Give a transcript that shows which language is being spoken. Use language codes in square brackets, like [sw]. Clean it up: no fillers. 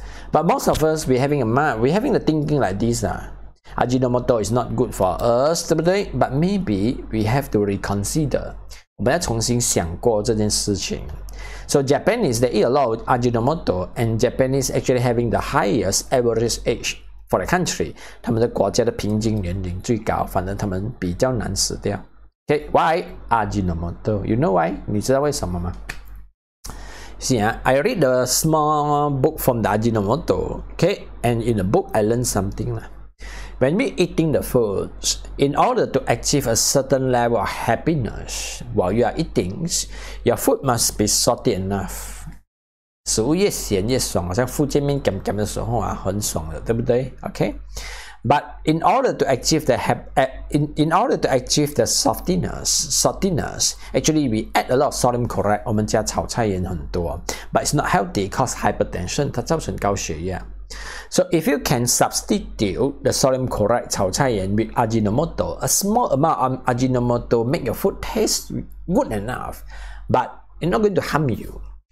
[en] But most of us we having the thinking like this Ajinomoto is not good for us [zh] 对不对 [en] But maybe we have to reconsider [zh] 我们要重新想过这件事情 [en] So Japanese, they eat a lot of Ajinomoto, and Japanese actually having the highest average age for the country. [zh] 他们的国家的平均年龄最高，反正他们比较难死掉。 [en] Okay, why Ajinomoto? You know why? [zh] 你知道为什么吗？ [en] See, I read a small book from the Ajinomoto, okay, and in the book, I learned something. When we're eating the foods, in order to achieve a certain level of happiness while you are eating, your food must be salty enough. [zh] 食物越咸越爽，好像附近面咸咸的时候啊，很爽的，对不对 ？ [en] Okay. But in order to achieve the saltiness, actually we add a lot of sodium chloride. [zh] 我们加炒菜盐很多 ， [en] but it's not healthy. Cause hypertension, [zh] 它造成高血压。 [en] So if you can substitute the sodium chloride 炒菜盐 with Ajinomoto, a small amount of Ajinomoto make your food taste good enough, but it's not going to harm you.